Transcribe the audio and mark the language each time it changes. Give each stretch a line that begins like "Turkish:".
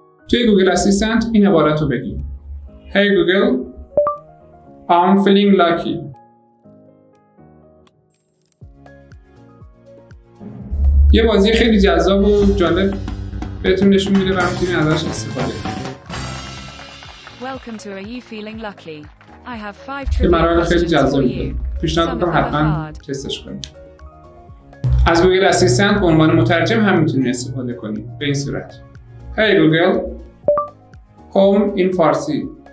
Persian: توی گوگل اسیستنت این عبارت رو بگیم.
English: Hey Google, I'm feeling lucky.
Persian: یه بازی خیلی جذاب و جالب بهتون نشون میده و میتونید ازش استفاده کنید.
English: Welcome to Are You Feeling Lucky? I have 5 trivia questions for you.
Persian: پیشنهاد میکنم حتما تستش کنید. از گوگل اسیستنت به عنوان مترجم هم میتونید استفاده کنید. به این صورت.
English: Hey Google, home in فارسی.